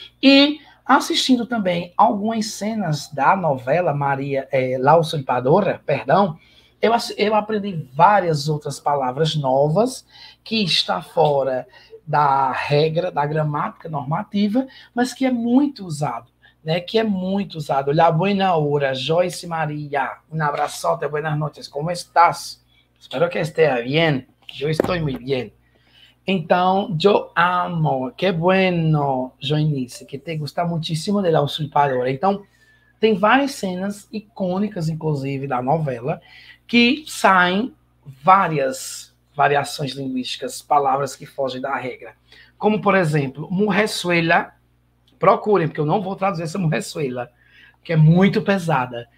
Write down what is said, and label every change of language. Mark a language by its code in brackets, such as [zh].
[pt] E assistindo também algumas cenas da novela Maria La Usurpadora, perdão, eu aprendi várias outras palavras novas que está fora da regra, da gramática normativa, mas que é muito usado, né? Que é muito usado. [es] La buena hora, Joyce Maria, un abrazote, buenas noches, ¿cómo estás? Espero que esteja bien, yo estoy muy bien. Então, yo amo, qué bueno, Joinice, que te gusta muchísimo de La Usurpadora. [pt] Então, tem várias cenas icônicas, inclusive, da novela, que saem várias variações linguísticas, palavras que fogem da regra. Como, por exemplo, murresuela. Procurem, porque eu não vou traduzir essa murresuela, que é muito pesada.